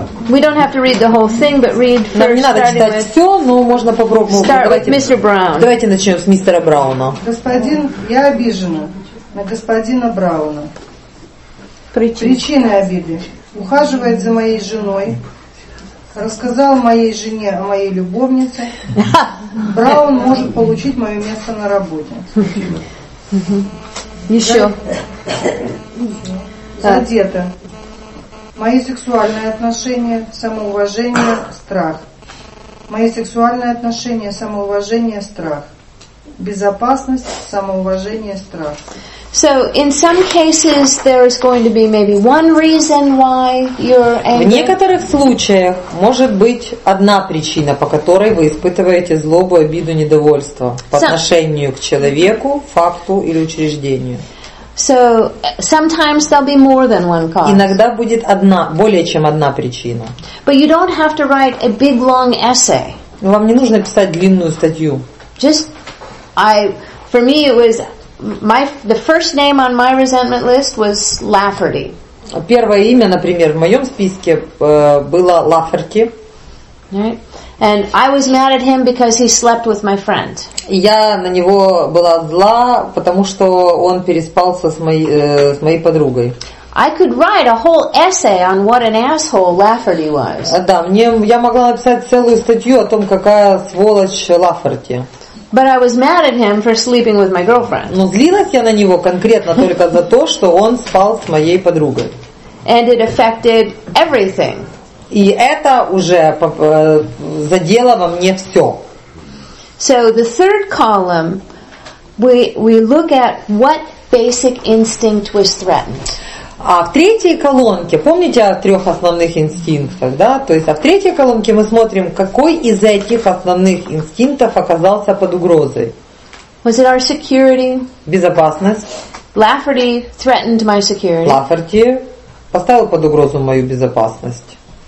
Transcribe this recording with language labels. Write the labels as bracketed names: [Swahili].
[English] We don't have to read the whole thing, but read. [Russian] Нам не надо читать все, но можно попробовать. [English] Start with Mr. Brown. [Russian] Давайте начнем с мистера Брауна. Господин, я обижена на господина Брауна. Причины обиды. Ухаживает за моей женой. Рассказал моей жене о моей любовнице. Браун может получить мое место на работе. Еще. Задето. Мои сексуальные отношения, самоуважение, страх. Мои сексуальные отношения, самоуважение, страх. Безопасность, самоуважение, страх. [English] So in some cases there is going to be maybe one reason why you're angry. [Russian] В некоторых случаях может быть одна причина, по которой вы испытываете злобу, обиду, недовольство по отношению к человеку, факту или учреждению. [English] So sometimes there'll be more than one cause. [Russian] Иногда будет одна, более чем одна причина. [English] But you don't have to write a big long essay. [Russian] Вам не нужно писать длинную статью. [English] Just for me it was the first name on my resentment list was Lafferty. [Russian] Первое имя, например, в моем списке было Лафферти. [English] And I was mad at him because he slept with my friend. [Russian] Я на него была зла, потому что он переспал с моей подругой. [English] I could write a whole essay on what an asshole Lafferty was. [Russian] Да, я могла написать целую статью о том, какая сволочь Лафферти. [English] But I was mad at him for sleeping with my girlfriend. [Russian] Но злилась я на него конкретно только за то, что он спал с моей подругой. [English] And it affected everything. [Russian] И это уже задело во мне все. [English] So the third column, we look at what basic instinct was threatened. [Russian] А в третьей колонке, помните о трех основных инстинктах, да? То есть, а в третьей колонке мы смотрим, какой из этих основных инстинктов оказался под угрозой. [English] Was it our security? [Russian] Безопасность. [English] Lafferty threatened my security. [Russian] Лафферти поставил под угрозу мою безопасность.